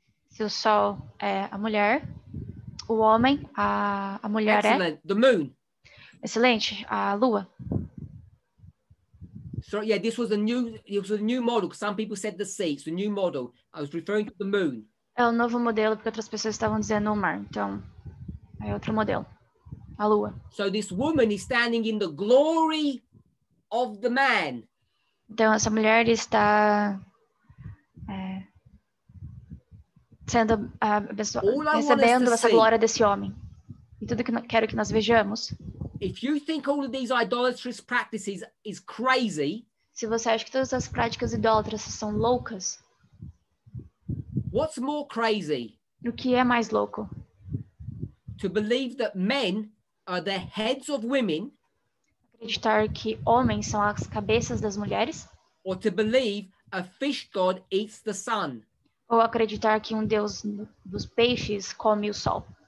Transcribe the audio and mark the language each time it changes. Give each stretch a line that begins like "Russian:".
Portuguese: Se o sol é a mulher, o homem, a mulher
English: excellent. É... The moon.
Portuguese: Excelente, a lua.
English: So yeah, this was a new model. Some people said the sea. It's a new model. I was referring to the moon.
Portuguese: É um novo modelo porque outras pessoas estavam dizendo o mar. Então, é outro modelo. A lua.
English: So this woman is standing in the glory of the man.
Portuguese: Então essa mulher está sendo recebendo essa glória desse homem. E tudo que quero que nós vejamos.
English: If you think all of these idolatrous practices is crazy,
Portuguese: se você acha que todas as práticas idólatras são loucas,
English: what's more crazy?
Portuguese: O que é mais louco?
English: To believe that men are the heads of women,
Portuguese: acreditar que homens são as cabeças das mulheres,
English: or to believe a fish god eats the sun,
Portuguese: ou acreditar que deus dos peixes come o sol,